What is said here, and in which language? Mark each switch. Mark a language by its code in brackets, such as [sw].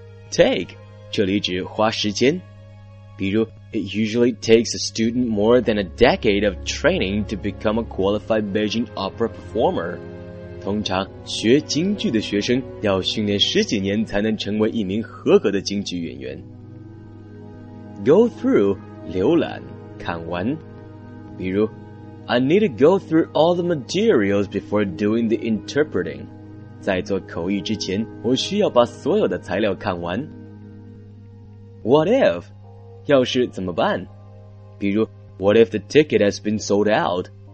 [en] Take, [zh] 这里指花时间。比如 [en] ,It usually takes a student more than a decade of training to become a qualified Beijing opera performer. [zh] 通常学京剧的学生要训练十几年才能成为一名合格的京剧演员。 [en] Go through, [zh] 浏览看完。 [en] 比如 ,I need to go through all the materials before doing the interpreting. [zh] 在做口译之前我需要把所有的材料看完。 [en] What if? [zh] 要是怎么办？ [en] 比如 What if the ticket has been sold out?